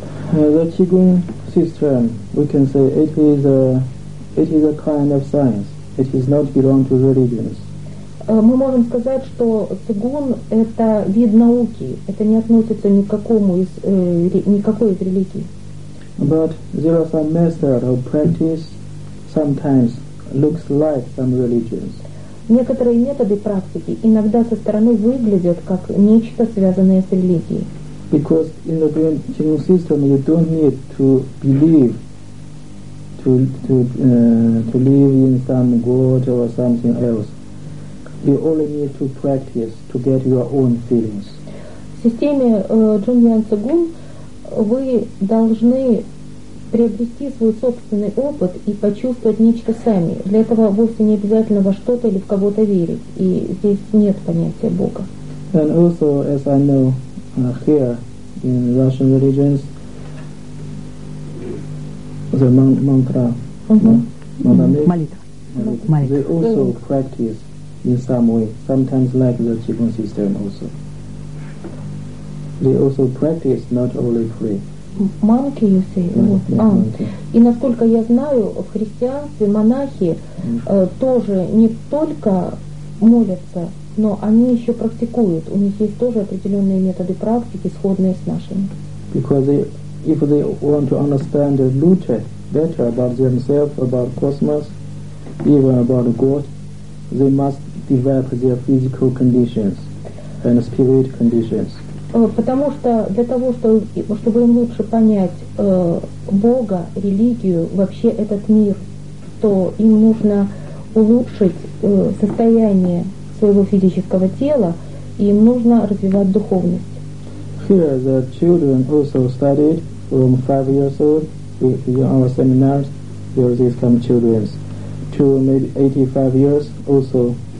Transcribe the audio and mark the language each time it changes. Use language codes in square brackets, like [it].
[en] The Qigong system, we can say it is a kind of science. It is not belong to religions. [ru] Мы можем сказать, что цигун – это вид науки, это не относится ни к какому из, никакой из религий. [en] But there are some method of practice sometimes looks like some religions. [ru] Некоторые методы практики иногда со стороны выглядят как нечто, связанное с религией. [en] Because in the Qigong system you don't need to believe to live in some god or something else. You only need to practice to get your own feelings. [ru] В системе Джун Юан Цигун вы должны приобрести свой собственный опыт и почувствовать нечто сами. Для этого вовсе не обязательно во что-то или в кого-то верить. И здесь нет понятия Бога. [en] And also, as I know, here in Russian religions, the mantra, [ru] молитва. [en] They also practice in some way, sometimes like the Qigong system also. They also practice, not only pray. Monkey, you say? Monkey. [ru] И насколько я знаю, в христианстве монахи тоже не только молятся, но они еще практикуют. У них есть тоже определенные методы практики, сходные с нашими. [en] because if they want to understand Lute better about themselves, about cosmos, even about God, they must develop their physical conditions and spirit conditions. [ru] Потому что для того, чтобы им лучше понять Бога, религию, вообще этот мир, то им нужно улучшить состояние своего физического тела, и им нужно развивать духовность. [en] Here the children also studied from 5 years old in our seminars. Here these come children, to maybe 85 years also.